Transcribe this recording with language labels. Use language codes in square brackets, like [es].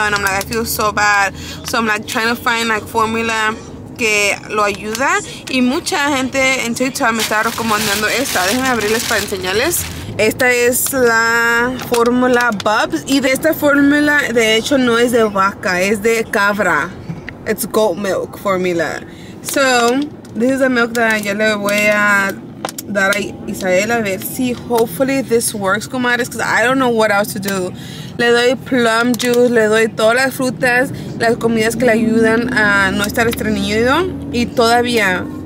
[en] And I'm like, I feel so bad. So I'm like trying to find like formula [es] que lo ayuda. Y mucha gente en TikTok me está recomendando esta. Déjenme abrirles para enseñarles. Esta es la fórmula Bubs. Y de esta fórmula, de hecho, no es de vaca, es de cabra. [en] It's goat milk formula. So this is the milk that [es] yo le voy a dar a Isael a ver si [en] hopefully this works, [es] comadres, [en] because I don't know what else to do. [es] Le doy plum juice, le doy todas las frutas, las comidas que le ayudan a no estar estreñido y todavía.